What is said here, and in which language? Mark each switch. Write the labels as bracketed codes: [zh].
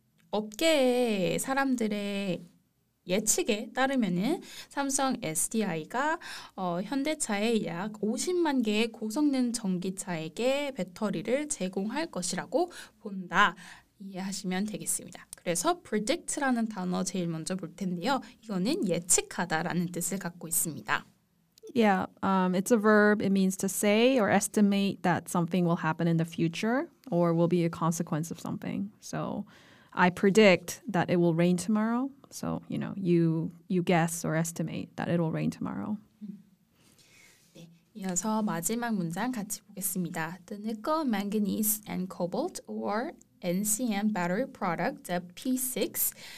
[ko] 업계의 사람들의 예측에 따르면은 삼성 SDI가 현대차에 약 50만 개의 고성능 전기차에게 배터리를 제공할 것이라고 본다. 이해하시면 되겠습니다. 그래서 predict라는 단어 제일 먼저 볼 텐데요. 이거는 예측하다라는 뜻을 갖고 있습니다. [en] Yeah, it's a verb. It means to say or estimate that something will happen in the future or will be a consequence of something. So I predict that it will rain tomorrow. So, you know, you guess or estimate that it will rain tomorrow. [ko] 네, 이어서 마지막 문장 같이 보겠습니다. [en] The nickel, manganese, and cobalt or NCM battery product, the P6.